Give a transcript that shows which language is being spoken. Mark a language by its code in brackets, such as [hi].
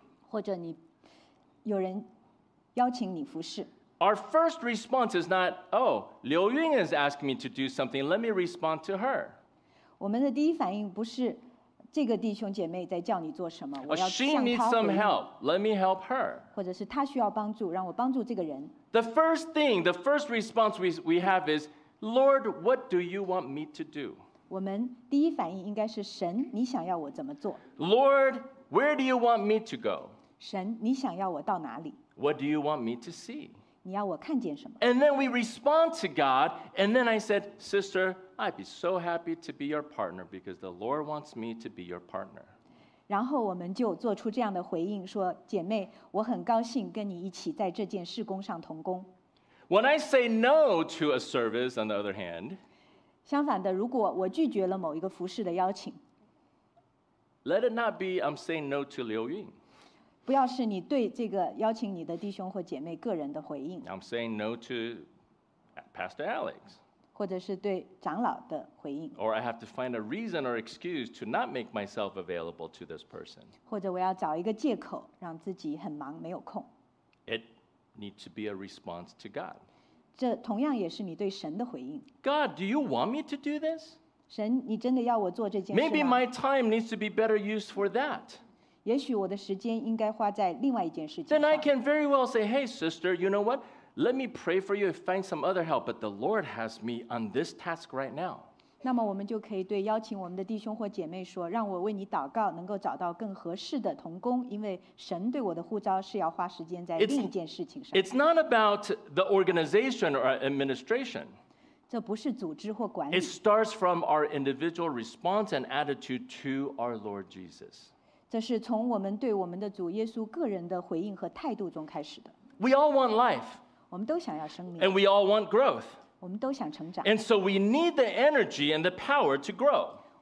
[zh] 或者你有人邀请你服事 [en] our first response is not, oh, Liu Yun is asking me to do something, let me respond to her. [zh] 我们的第一反应不是这个弟兄姐妹在叫你做什么，我要向他回应。 [en] She needs some help. Let me help her. [zh] 或者是他需要帮助，让我帮助这个人。 [en] The first thing, the first response we have is, Lord, what do you want me to do? [zh] 我们第一反应应该是神，你想要我怎么做 [en] ？Lord, where do you want me to go? [zh] 神，你想要我到哪里 [en] ？What do you want me to see? [zh] 你要我看见什么 [en] ？And then we respond to God. And then I said, Sister. I'd be so happy to be your partner because the Lord wants me to be your partner. [zh] 然后我们就做出这样的回应说姐妹我很高兴跟你一起在这件事工上同工。 [en] When I say no to a service, on the other hand, [zh] 相反的如果我拒绝了某一个服事的邀请 [en] let it not be I'm saying no to Liu Yun. [zh] 不要是你对这个邀请你的弟兄或姐妹个人的回应。 [en] I'm saying no to Pastor Alex. [zh] 或者是对长老的回应 [en] or I have to find a reason or excuse to not make myself available to this person. [zh] 或者我要找一个借口让自己很忙没有空 [en] It needs to be a response to God. [zh] 这同样也是你对神的回应 [en] God, do you want me to do this? [zh] 神你真的要我做这件事吗 [en] Maybe my time needs to be better used for that. [zh] 也许我的时间应该花在另外一件事情 [en] Then I can very well say, hey sister, you know what? Let me pray for you and find some other help, but the Lord has me on this task right now. [zh] 那么我们就可以对邀请我们的弟兄或姐妹说，让我为你祷告，能够找到更合适的同工，因为神对我的呼召是要花时间在另一件事情上。 [en] It's not about the organization or administration. [zh] 这不是组织或管理。 [en] It starts from our individual response and attitude to our Lord Jesus. [zh] 这是从我们对我们的主耶稣个人的回应和态度中开始的。 [en] We all want life. And we all want growth. And so we need the energy and the power to grow.